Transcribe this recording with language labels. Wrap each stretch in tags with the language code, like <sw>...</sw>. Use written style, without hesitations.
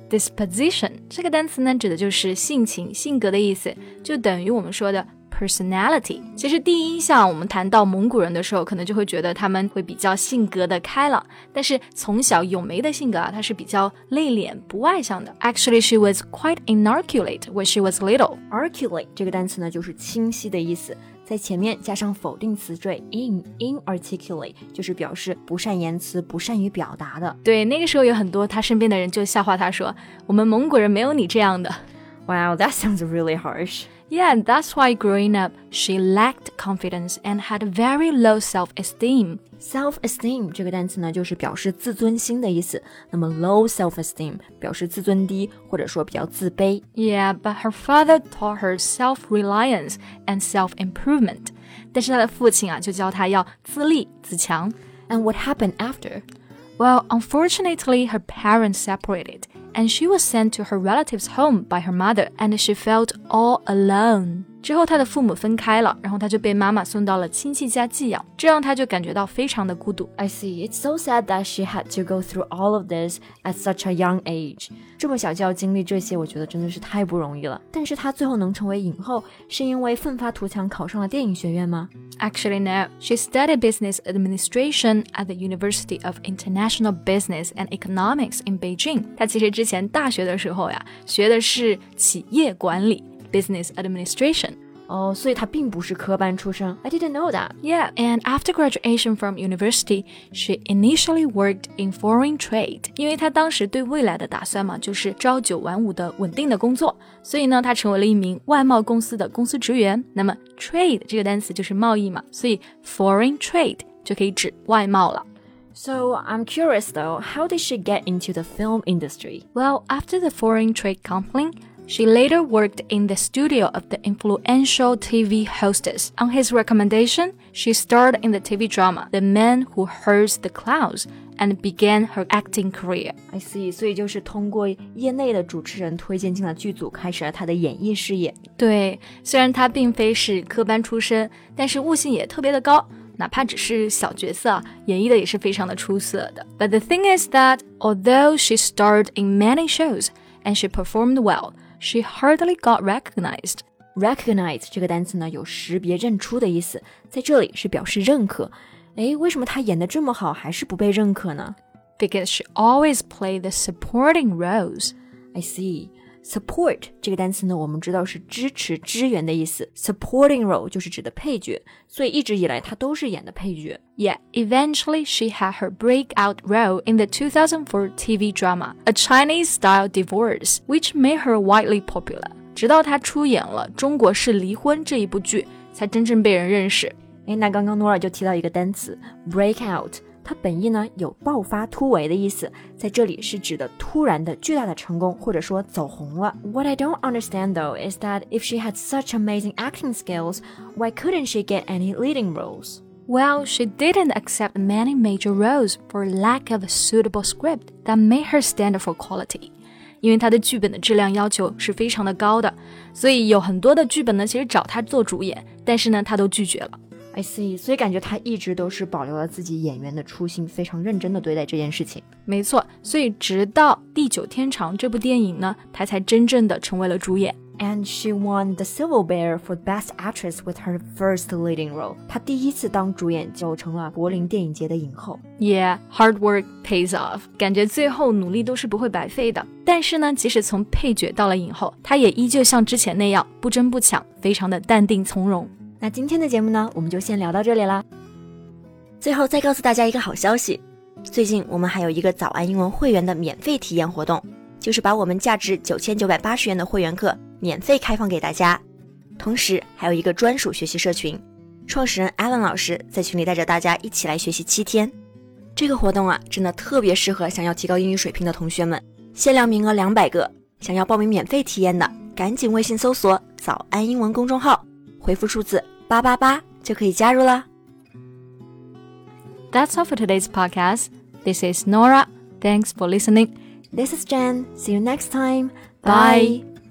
<zh>Disposition 这个单词呢指的就是性情、性格的意思，就等于我们说的personality. 其实第一印象我们谈到蒙古人的时候，可能就会觉得他们会比较性格的开朗，但是从小咏梅的性格啊，她是比较内敛不外向的。</zh> <en>Actually, she was quite inarticulate when she was little.</en> <zh>Articulate 这个单词呢就是清晰的意思，在前面加上否定词缀 inarticulate, 就是表示不善言辞，不善于表达的。对，那个时候有很多她身边的人就笑话她说，我们蒙古人没有你这样的。</zh> <en>Wow, that sounds really harsh. Yeah, and that's why growing up, she lacked confidence and had very low self-esteem.</en> <zh>Self-esteem 这个单词呢，就是表示自尊心的意思。那么 low self-esteem 表示自尊低，或者说比较自卑。</zh> <en>Yeah, but her father taught her self-reliance and self-improvement.</en> <zh>但是她的父亲啊，就教她要自立自强。</zh> <en>And what happened after? Well, unfortunately, her parents separated. And she was sent to her relative's home by her mother, and she felt all alone.</en> <zh>之后他的父母分开了，然后他就被妈妈送到了亲戚家寄养，这让他就感觉到非常的孤独。</zh> <en>I see, it's so sad that she had to go through all of this at such a young age.</en> <zh>这么小就要经历这些，我觉得真的是太不容易了。但是他最后能成为影后，是因为奋发图强考上了电影学院吗？</zh> <en>Actually no, she studied business administration at the University of International Business and Economics in Beijing.</en> <zh>他其实之前大学的时候呀，学的是企业管理。</zh> <en>Business administration. Oh, so she is not a</en> <zh>科班出身.</zh> <en>I didn't know that. Yeah, and after graduation from university, she initially worked in foreign trade.</en> <zh>因为她当时对未来的打算嘛，就是朝九晚五的稳定的工作，所以呢，她成为了一名外贸公司的公司职员。那么 trade 这个单词就是贸易嘛，所以 foreign trade 就可以指外贸了。</zh> <en>So, I'm curious though, how did she get into the film industry? Well, after the foreign trade conflict,She later worked in the studio of the influential TV hostess. On his recommendation, she starred in the TV drama The Man Who Hears the Clouds and began her acting career. I see,</en> <zh>所以就是通过业内的主持人推荐进了剧组，开始了她的演艺事业。对，虽然她并非是科班出身，但是悟性也特别的高。哪怕只是小角色，演绎的也是非常的出色的。</zh> <en>But the thing is that, although she starred in many shows,And she performed well. She hardly got recognized.</en> <zh>Recognize 这个单词呢，有识别认出的意思，在这里是表示认可。哎，为什么她演得这么好，还是不被认可呢？</zh> <en>Because she always played the supporting roles. I see.</en> <zh>Support 这个单词呢，我们知道是支持、支援的意思。 Supporting role 就是指的配角，所以一直以来她都是演的配角。</zh> <en>Yeah. Eventually, she had her breakout role in the 2004 TV drama A Chinese Style Divorce, which made her widely popular.</en> <zh>直到她出演了《中国式离婚》这一部剧，才真正被人认识。哎，那刚刚 Nora 就提到一个单词 breakout。它本意呢有爆发突围的意思，在这里是指的突然的巨大的成功，或者说走红了。</zh> <en>What I don't understand though is that if she had such amazing acting skills, why couldn't she get any leading roles? Well, she didn't accept many major roles for lack of a suitable script that made her stand for quality.</en> <zh>因为她的剧本的质量要求是非常的高的，所以有很多的剧本呢其实找她做主演，但是呢她都拒绝了。</zh> <en>I see,</en> <zh>所以感觉他一直都是保留了自己演员的初心，非常认真地对待这件事情。没错，所以直到《地久天长》这部电影呢，他才真正的成为了主演。</zh> <en>And she won the Silver Bear for Best Actress with her first leading role.</en> <zh>她第一次当主演就成了柏林电影节的影后。</zh> <en>Yeah, hard work pays off.</en> <zh>感觉最后努力都是不会白费的。但是呢，即使从配角到了影后，她也依旧像之前那样不争不抢，非常的淡定从容。那今天的节目呢，我们就先聊到这里啦。最后再告诉大家一个好消息，最近我们还有一个早安英文会员的免费体验活动，就是把我们价值9980元的会员课免费开放给大家，同时还有一个专属学习社群，创始人 Alan 老师在群里带着大家一起来学习7天。这个活动啊，真的特别适合想要提高英语水平的同学们，限量名额200个，想要报名免费体验的，赶紧微信搜索早安英文公众号，回复数字888就可以加入了。</zh> <en>That's all for today's podcast. This is Nora. Thanks for listening. This is Jen. See you next time. Bye. Bye.</en>